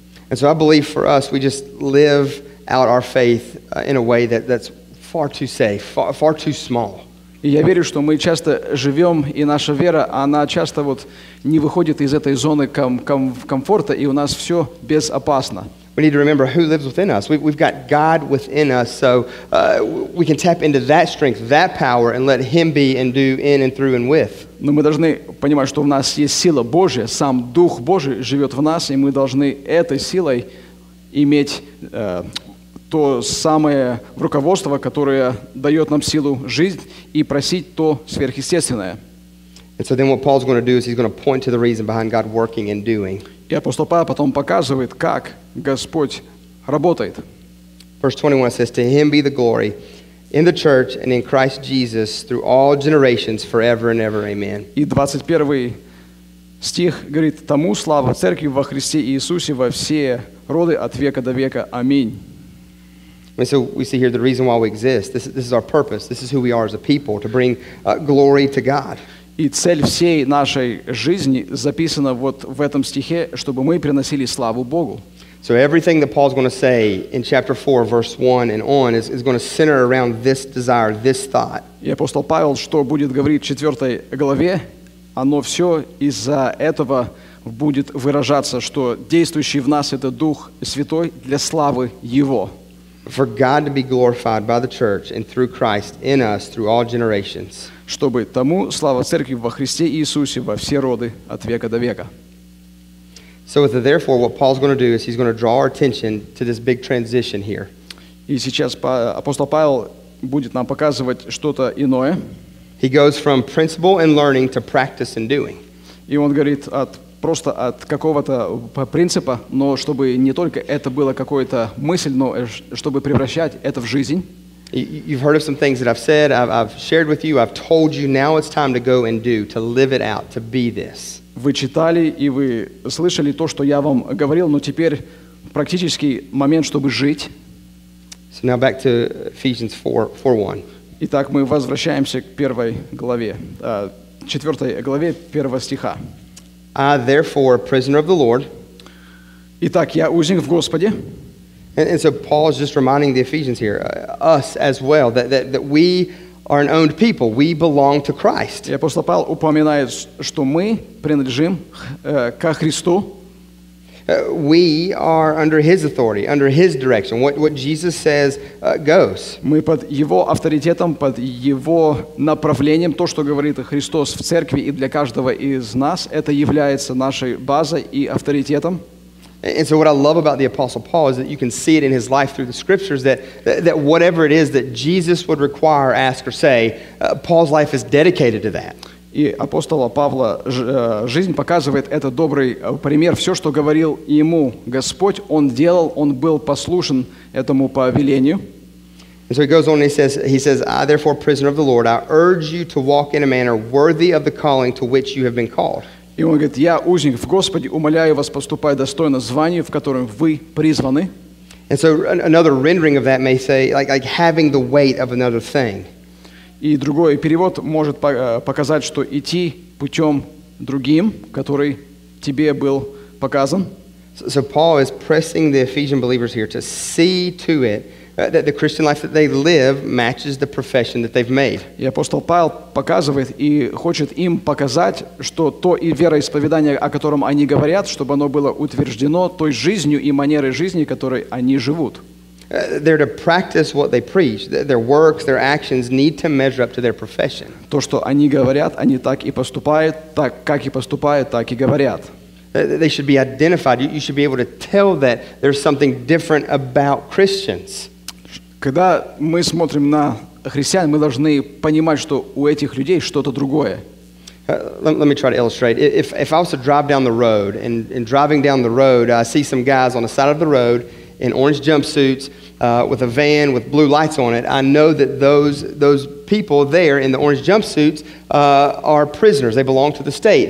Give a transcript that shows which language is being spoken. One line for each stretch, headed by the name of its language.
English: And so I believe for us, we just live out our faith in a way that's far too safe, far too small.
Russian: Я верю, что мы часто живем, и наша вера, она часто вот не выходит из этой зоны комфорта, и у нас все безопасно.
English: We need to remember who lives within us. We've got God within us, so we can tap into that strength, that power, and let Him be and do in and through and with.
Russian: Но мы должны понимать, что у нас есть сила Божия, сам Дух Божий живет в нас, и мы должны этой силой иметь то самое руководство, которое дает нам силу жить и просить то сверхъестественное.
English: And so then what Paul's going to do is he's going to point to the reason behind God working and doing.
Russian: И апостол Павел потом показывает, как Господь работает.
English: Verse 21 says, to him be the glory in the church and in Christ Jesus through all generations forever and ever. Amen.
Russian: И 21 стих говорит, тому слава церкви во Христе Иисусе во все роды от века до века. Аминь.
English: And so we see here the reason why we exist. This is our purpose. This is who we are as a people, to bring glory to God.
Russian: И цель всей нашей жизни записана вот в этом стихе, чтобы мы приносили славу Богу.
English: So everything that Paul's going to say in chapter 4, verse 1 and on is going to center around this desire, this thought.
Russian: И апостол Павел, что будет говорить в 4 главе, оно все из-за этого будет выражаться, что действующий в нас это Дух Святой для славы Его.
English: For God to be glorified by the church and through Christ in us through all generations.
Russian: Чтобы тому слава церкви во Христе Иисусе во все роды от века до века.
English: So with the therefore, what Paul's going to do is he's going to draw our attention to this big transition here.
Russian: И сейчас апостол Павел будет нам показывать что-то иное.
English: He goes from principle and learning to practice and doing.
Russian: И он говорит просто от какого-то принципа, но чтобы не только это было какой-то мысль, но чтобы превращать это в жизнь.
English: You've heard of some things that I've said, I've shared with you, I've told you, now it's time to go and do, to live it out, to be this.
Russian: Вы читали и вы слышали то, что я вам говорил, но теперь практический момент, чтобы жить.
English: So now back to Ephesians 4:1.
Russian: Итак, мы возвращаемся к первой главе, четвертой главе первого стиха.
English: I therefore, prisoner of the Lord.
Russian: Итак, я узник в Господе.
English: And so Paul is just reminding the Ephesians here, us as well, that we are an owned people. We belong to Christ.
Russian: И апостол Павел упоминает, что мы принадлежим ко Христу.
English: We are under His authority, under His direction. What Jesus says goes.
Russian: Мы под Его авторитетом, под Его направлением. То, что говорит Христос в церкви и для каждого из нас, это является нашей базой и авторитетом.
English: And so what I love about the Apostle Paul is that you can see it in his life through the scriptures that whatever it is that Jesus would require, ask, or say, Paul's life is dedicated to that.
Russian: И апостола Павла жизнь показывает это добрый пример. Все, что говорил ему Господь, он делал, он был послушен этому повелению.
English: And so he goes on and he says, I therefore, prisoner of the Lord, I urge you to walk in a manner worthy of the calling to which you have been called.
Russian: И он говорит, я узник в Господе, умоляю вас поступать достойно званию, в котором вы призваны.
English: And so another rendering of that may say, like having the weight of another thing.
Russian: И другой перевод может показать, что идти путем другим, который тебе был показан.
English: So Paul is pressing the Ephesian believers here to see to it that the Christian life that they live matches the profession that they've made.
Russian: И апостол Павел показывает и хочет им показать, что то и вероисповедание, о котором они говорят, чтобы оно было утверждено той жизнью и манерой жизни, которой они живут.
English: They're to practice what they preach. Their works, their actions need to measure up to their profession.
Russian: То, что они говорят, они так и поступают, так как и поступают, так и говорят.
English: They should be identified. You should be able to tell that there's something different about Christians.
Russian: Когда мы смотрим на христиан, мы должны понимать, что у этих людей что-то другое.
English: Let me try to illustrate. If I was to drive down the road, and driving down the road, I see some guys on the side of the road in orange jumpsuits with a van with blue lights on it, I know that those people there in the orange jumpsuits are prisoners. They belong to the state.